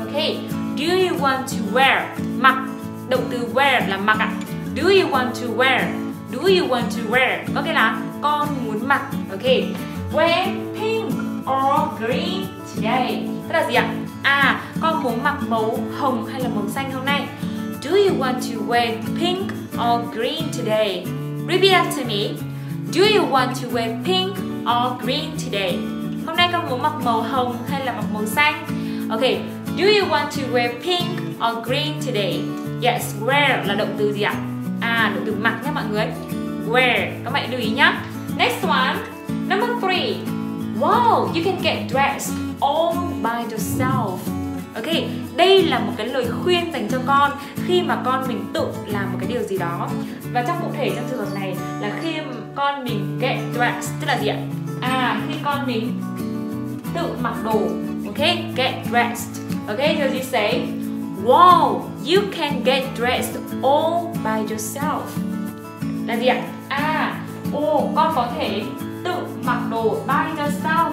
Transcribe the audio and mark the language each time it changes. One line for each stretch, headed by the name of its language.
English: Ok. Do you want to wear?
Vietnamese: Mặc. Động từ wear là mặc ạ.
English: Do you want to wear? Do you want to wear?
Vietnamese: Có nghĩa là con muốn mặc.
English: Ok. Wear pink or green today.
Vietnamese: Tức là gì ạ? Con muốn mặc màu hồng hay là màu xanh hôm nay.
English: Do you want to wear pink or green today? Repeat after me. Do you want to wear pink or green today?
Vietnamese: Hôm nay con muốn mặc màu hồng hay là mặc màu xanh?
English: Ok, do you want to wear pink or green today?
Vietnamese: Yes, wear là động từ gì ạ? Động từ mặc nhé mọi người. Wear, các bạn lưu ý nhé.
English: Next one, number 3. Wow, you can get dressed all by yourself.
Vietnamese: Ok, đây là một cái lời khuyên dành cho con khi mà con mình tự làm một cái điều gì đó. Và trong cụ thể trong trường hợp này là khi con mình get dressed, tức là gì ạ? Khi con mình tự mặc đồ. Ok, get dressed.
English: Ok, so you say wow, you can get dressed all by yourself.
Vietnamese: Là gì ạ? Con có thể tự mặc đồ by yourself.